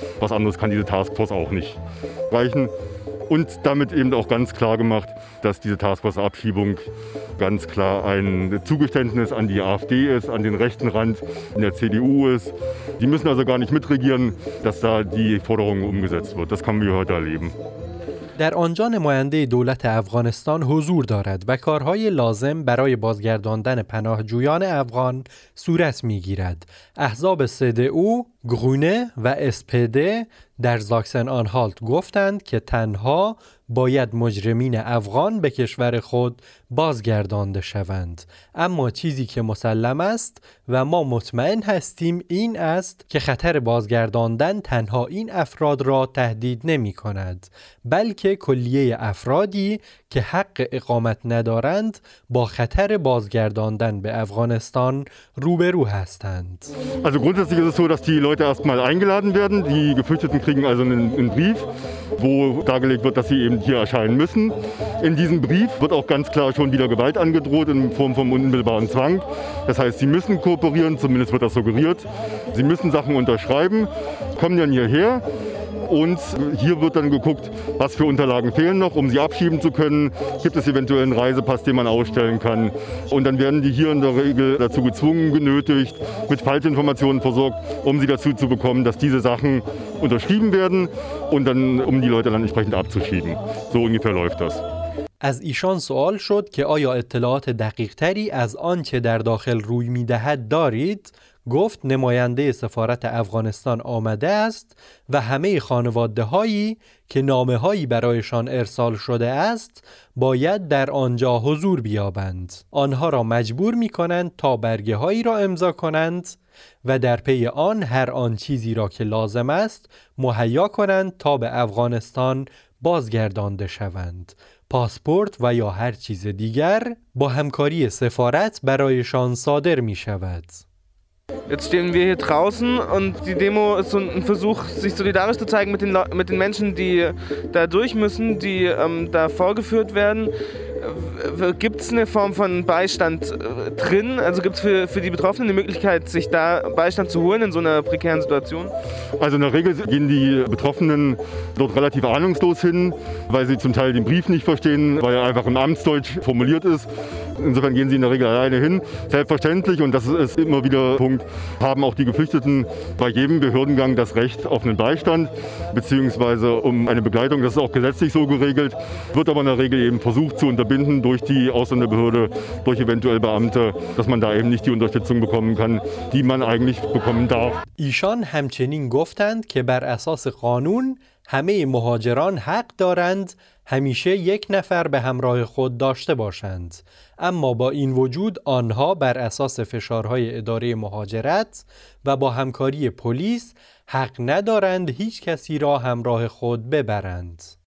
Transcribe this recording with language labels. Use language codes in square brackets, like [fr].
[de] Was anderes kann diese Taskforce auch nicht reichen. Und damit eben auch ganz klar gemacht, dass diese Taskforce-Abschiebung ganz klar ein Zugeständnis an die AfD ist, an den rechten Rand in der CDU ist. Die müssen also gar nicht mitregieren, dass da die Forderung umgesetzt wird. Das können wir heute erleben. [fa] در آنجا نماینده دولت افغانستان حضور دارد و کارهای لازم برای بازگرداندن پناهجویان افغان صورت می‌گیرد. احزاب CDU، گرونه و SPD در ساکسن-آنهالت گفتند که تنها باید مجرمین افغان به کشور خود بازگردانده شوند. اما چیزی که مسلم است و ما مطمئن هستیم این است که خطر بازگرداندن تنها این افراد را تهدید نمی کند، بلکه کلیه افرادی که حق اقامت ندارند با خطر بازگرداندن به افغانستان روبرو هستند. [de] Also grundsätzlich ist es so, dass die Leute erstmal eingeladen werden. Die Geflüchteten kriegen also einen Brief, wo dargelegt wird, dass sie eben hier erscheinen müssen. In diesem Brief wird auch ganz klar schon wieder Gewalt angedroht in Form von unmittelbaren Zwang. Das heißt, sie müssen kooperieren, zumindest wird das suggeriert. Sie müssen Sachen unterschreiben, kommen dann hierher. Und hier wird dann geguckt, was für Unterlagen fehlen noch, um sie abschieben zu können. Gibt es eventuell einen Reisepass, den man ausstellen kann? Und dann werden die hier in der Regel dazu gezwungen, genötigt, mit Falschinformationen versorgt, um sie dazu zu bekommen, dass diese Sachen unterschrieben werden und dann, um die Leute dann entsprechend abzuschieben. So ungefähr läuft das. [fa] از ایشان سوال شد که آیا اطلاعات دقیق تری از آن چه در داخل روی می دهد دارید؟ گفت نماینده سفارت افغانستان آمده است و همه خانواده هایی که نامه هایی برایشان ارسال شده است باید در آنجا حضور بیابند. آنها را مجبور می کنند تا برگه هایی را امضا کنند و در پی آن هر آن چیزی را که لازم است مهیا کنند تا به افغانستان بازگردانده شوند. پاسپورت و یا هر چیز دیگر با همکاری سفارت برایشان صادر می شود. [de] Jetzt stehen wir hier draußen und die Demo ist so ein Versuch, sich solidarisch zu zeigen mit den Menschen, die da durch müssen, die da vorgeführt werden. Gibt es eine Form von Beistand drin? Also gibt es für die Betroffenen die Möglichkeit, sich da Beistand zu holen in so einer prekären Situation? Also in der Regel gehen die Betroffenen dort relativ ahnungslos hin, weil sie zum Teil den Brief nicht verstehen, weil er einfach im Amtsdeutsch formuliert ist. Insofern gehen sie in der Regel alleine hin. Selbstverständlich, und das ist immer wieder Punkt, haben auch die Geflüchteten bei jedem Behördengang das Recht auf einen Beistand beziehungsweise um eine Begleitung. Das ist auch gesetzlich so geregelt, wird aber in der Regel eben versucht zu unterbinden durch die Ausländerbehörde, durch eventuell Beamte, dass man da eben nicht die Unterstützung bekommen kann, die man eigentlich bekommen darf. [fa] Ishan hamchenin goftand ke bar asas qanun hame mohajeran haq darand همیشه یک نفر به همراه خود داشته باشند. اما با این وجود آنها بر اساس فشارهای اداره مهاجرت و با همکاری پلیس حق ندارند هیچ کسی را همراه خود ببرند.